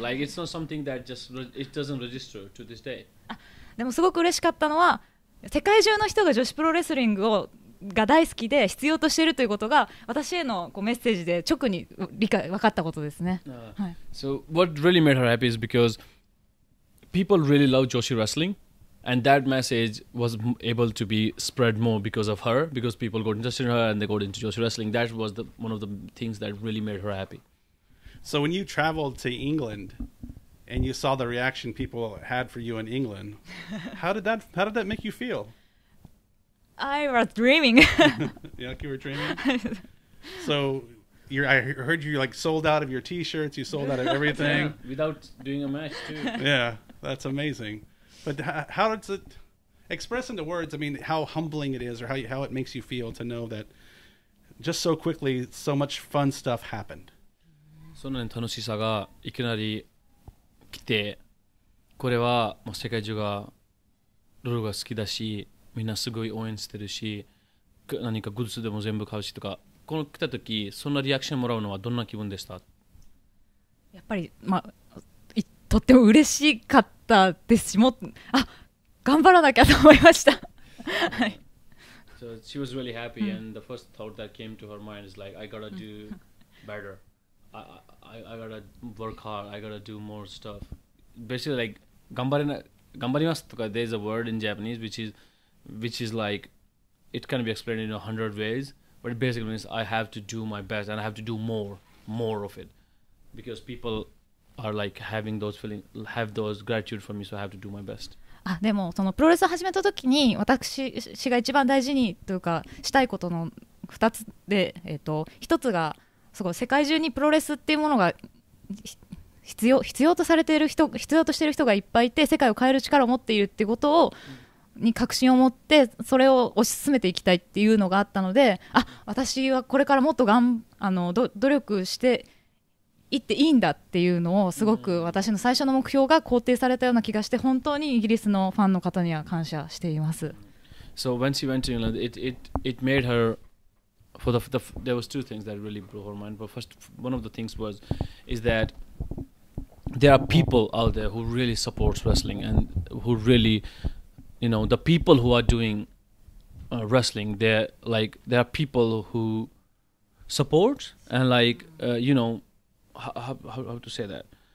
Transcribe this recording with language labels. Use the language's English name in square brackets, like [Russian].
[English] Like it's not something that just, it doesn't register to this day. [Japanese] でもすごく嬉しかったのは、世界中の人が女子プロレスリングをが大好きで必要としているということが私へのこうメッセージで直に理解分かったことですね、はい、 [English] So what really made her happy is because people really love Joshi Wrestling and that message was able to be spread more because of her because people got interested in her and they got into Joshi Wrestling that was the, one of the things that really made her happy So when you traveled to England and you saw the reaction people had for you in England how did that make you feel? I was dreaming. Yeah, like you were dreaming. So, I heard you like sold out of your T-shirts. You sold out of everything yeah, without doing a match too. Yeah, that's amazing. But how does it express into words? I mean, how humbling it is, or how it makes you feel to know that just so quickly, so much fun stuff happened. [Japanese] そのね楽しさがいきなり来て、これはもう世界中がルルが好きだし。みんなすごい応援してるし何かグッズでも全部買うしとかこの来た時そんなリアクションもらうのはどんな気分でしたやっぱりまあとっても嬉しかったですしもあ頑張らなきゃと思いました [English] はい She was really happy、うん、and the first thought that came to her mind is like I gotta do better I gotta work hard I gotta do more stuff basically like [Japanese] 頑張りますとか [English] there's a word in Japanese which is like, it can be explained in 100 ways, but it basically means I have to do my best and I have to do more of it. Because people are like having those feeling, have those gratitude for me, so I have to do my best. [Japanese] あ、でもそのプロレスを始めた時に私が一番大事にというかしたいことの2つで、1つがすごい世界中にプロレスっていうものが必要とされている人、必要としている人がいっぱいいて、世界を変える力を持っているっていうことをに確信を持って、それを推し進めていきたいっていうのがあったので、あ、私はこれからもっとあの努力していっていいんだっていうのを、すごく私の最初の目標が肯定されたような気がして、本当にイギリスのファンの方には感謝しています。 [English] So when she went to England, it made her for there was two things that really blew her mind. But first, one of the things was is that there are people out there who really support wrestling and who really, you know, the people who are doing wrestling, they're like, there are people who support and like, you know,How to say that?